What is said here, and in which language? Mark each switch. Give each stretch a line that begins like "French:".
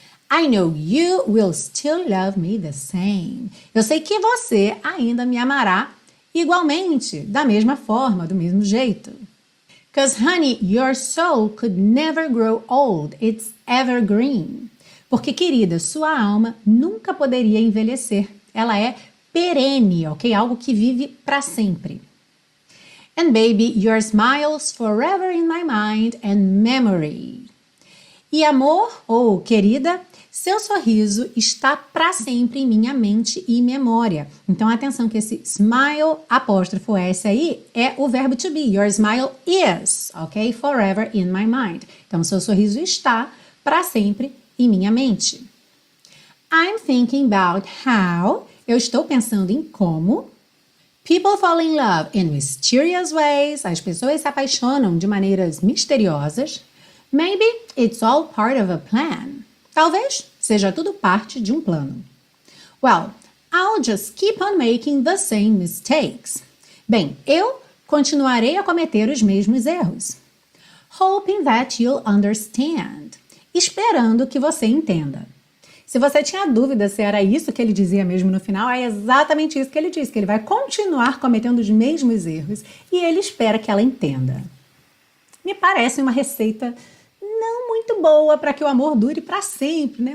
English: I know you will still love me the same.
Portuguese: Eu sei que você ainda me amará igualmente, da mesma forma, do mesmo jeito.
English: Cause honey, your soul could never grow old. It's evergreen.
Portuguese: Porque, querida, sua alma nunca poderia envelhecer. Ela é perene, ok? Algo que vive para sempre.
English: And baby, your smile's forever in my mind and memory.
Portuguese: E amor, ou querida, seu sorriso está para sempre em minha mente e memória. Então, atenção que esse smile, apóstrofo S aí, é o verbo to be.
English: Your smile is, ok? Forever in my mind.
Portuguese: Então, seu sorriso está para sempre em minha mente.
English: I'm thinking about how,
Portuguese: eu estou pensando em como,
English: people fall in love in mysterious ways,
Portuguese: as pessoas se apaixonam de maneiras misteriosas.
English: Maybe it's all part of a plan.
Portuguese: Talvez seja tudo parte de um plano.
English: Well, I'll just keep on making the same mistakes.
Portuguese: Bem, eu continuarei a cometer os mesmos erros.
English: Hoping that you'll understand.
Portuguese: Esperando que você entenda. Se você tinha dúvida se era isso que ele dizia mesmo no final, é exatamente isso que ele diz, que ele vai continuar cometendo os mesmos erros e ele espera que ela entenda. Me parece uma receita muito boa para que o amor dure para sempre, né?